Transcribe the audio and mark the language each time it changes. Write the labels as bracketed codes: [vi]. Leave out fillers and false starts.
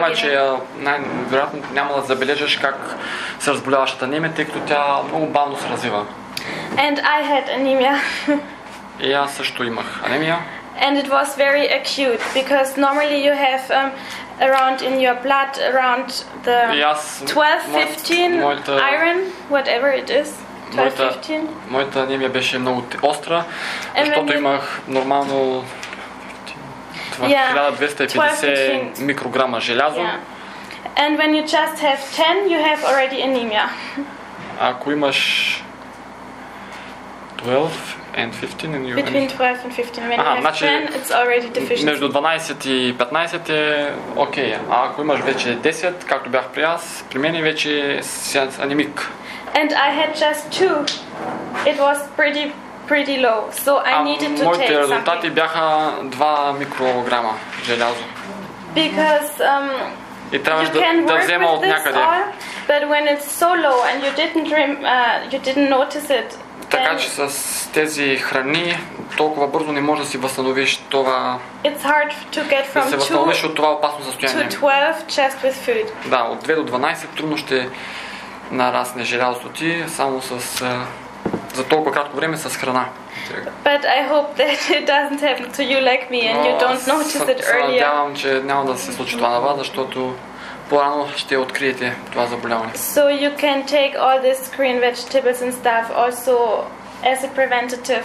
[bg] Проблема е, че най-вероятно няма да забележиш как се разболяваш от анемия, тъй като тя много бавно се развива. [en] And I had anemia. [bg] И аз също имах анемия. [en] And it was very acute because normally you have around in your blood around the 12-15 iron, whatever it is. 12-15. [bg] Моята анемия беше много остра, защото имах нормално 1250 микрограма желязо. [en] And when you just have 10, you have already anemia. [bg] Ако имаш [en] 12 and 15 and you between 12 and 15 when you have 10, it's already deficient. [bg] Между 12 и 15 е окей. А ако имаш вече 10, както бях при аз, при мен вече си анемик. [en] And I had just 2. It was pretty low. So I needed to take something. [bg] Моите резултати бяха 2 микрограма желязо. [en] Because [bg] и трябваш да взема от някъде. [en] All, but when it's so low and you didn't notice it. [bg] Така че с тези храни толкова бързо не можеш да си възстановиш това. [en] It's hard to get from 2 [bg] да се възстановиш от това опасно състояние. [en] To 12 just with food. [bg] Да, от 2 до 12 трудно ще нарасне желязото ти само с за толкова кратко време с храна. [en] But I hope that it doesn't happen to you like me and you don't notice it earlier. [bg] Но надявам, че няма да се случи това на вас, защото по-рано ще откриете това заболяване. [en] So you can take all these green vegetables and stuff also as a preventative.